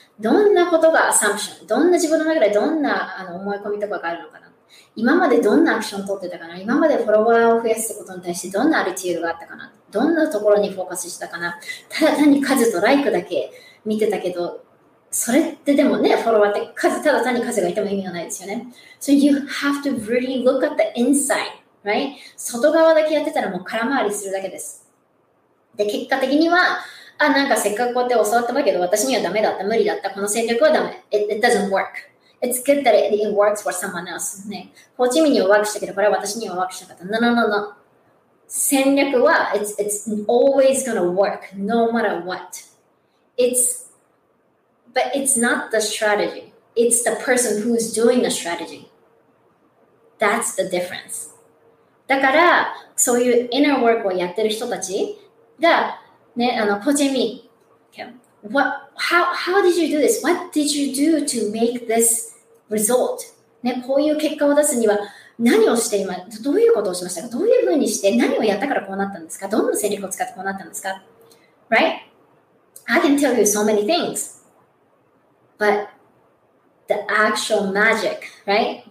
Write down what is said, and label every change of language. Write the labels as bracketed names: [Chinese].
[Japanese] どんなことがアサンプション。どんな自分の中でどんな思い込みとかがあるのかな。今までどんなアクションを取ってたかな。今までフォロワーを増やすことに対してどんなアリティールがあったかな。どんなところにフォーカスしたかな。ただ単に数とライクだけ見てたけど、それってでもね、フォロワーって数、ただ単に数がいても意味がないですよね。 [English] So you have to really look at the inside, right? [Japanese] 外側だけやってたらもう空回りするだけです。で、結果的には、あ、なんかせっかくこうやって教わったわけど、私にはダメだった、無理だった、この戦略はダメ。 [English] It doesn't work. It's good that it works for someone else. [Japanese] ね。ホーチミンにはワークしたけど、これは私にはワークしなかった。 [English] No, no, no, no. [Japanese] 戦略は、 [English] it's always gonna work, no matter what. But it's not the strategy. It's the person who's doing the strategy. That's the difference. [Japanese] だから、そういう inner work をやってる人たちが、ね、ホーチミン、 [English] How did you do this? What did you do to make this result? [Japanese] ね、こういう結果を出すには何をして今、どういうことをしましたか？どういうふうにして何をやったからこうなったんですか？どんな戦略を使ってこうなったんですか？ [English] Right? I can tell you so many things. But the actual magic, right?